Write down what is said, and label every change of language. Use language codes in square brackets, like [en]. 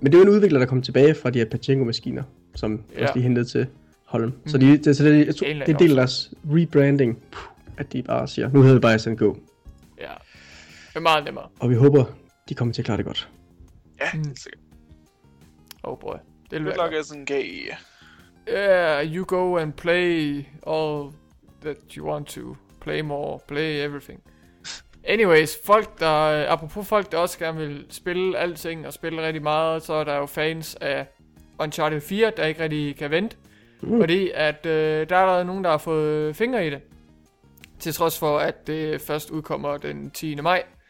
[da] Men det er jo en udvikler, der kom tilbage fra de her pachinko-maskiner, som også lige hentede til Holm. Mm. Så det er del af deres rebranding, at de bare siger, nu hedder det bare SNK. Ja. Det er meget nemmere. Og vi håber... De kommer til at klare det godt. Ja, sikkert. [en] Oh boy. [da] Det er nok sådan en gay. [en] Yeah, you go and play all that you want to. Play more, play everything. [da] Anyways, folk der... Apropos folk der også gerne vil spille alting og spille rigtig meget, så er der jo fans af Uncharted 4, der ikke rigtig kan vente. Mm. Fordi at der er allerede nogen, der har fået fingre i det. Til trods for, at det først udkommer den 10. maj.